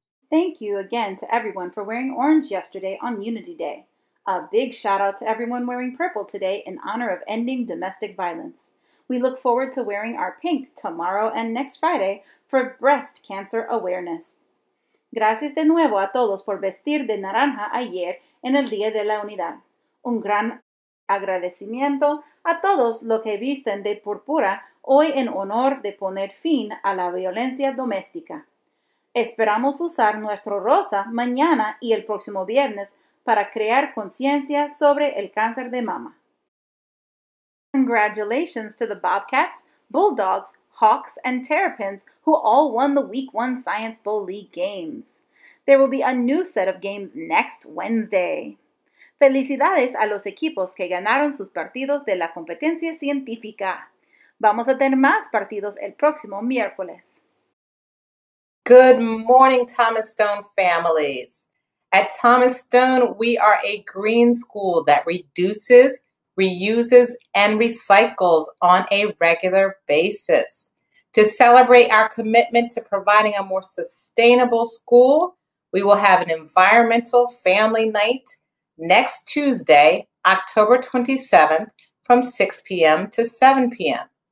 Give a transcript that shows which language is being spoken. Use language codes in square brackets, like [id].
[en] Thank you again to everyone for wearing orange yesterday on Unity Day. A big shout out to everyone wearing purple today in honor of ending domestic violence. We look forward to wearing our pink tomorrow and next Friday for breast cancer awareness. [es] Gracias de nuevo a todos por vestir de naranja ayer en el Día de la Unidad. Un gran agradecimiento a todos los que visten de púrpura hoy en honor de poner fin a la violencia doméstica. Esperamos usar nuestro rosa mañana y el próximo viernes para crear conciencia sobre el cáncer de mama. [en] Congratulations to the Bobcats, Bulldogs, Hawks, and Terrapins, who all won the Week 1 Science Bowl League games. There will be a new set of games next Wednesday. [es] Felicidades a los equipos que ganaron sus partidos de la competencia científica. Vamos a tener más partidos el próximo miércoles. [en] Good morning, Thomas Stone families. At Thomas Stone, we are a green school that reduces, reuses, and recycles on a regular basis. To celebrate our commitment to providing a more sustainable school, we will have an environmental family night next Tuesday, October 27th, from 6 p.m. to 7 p.m.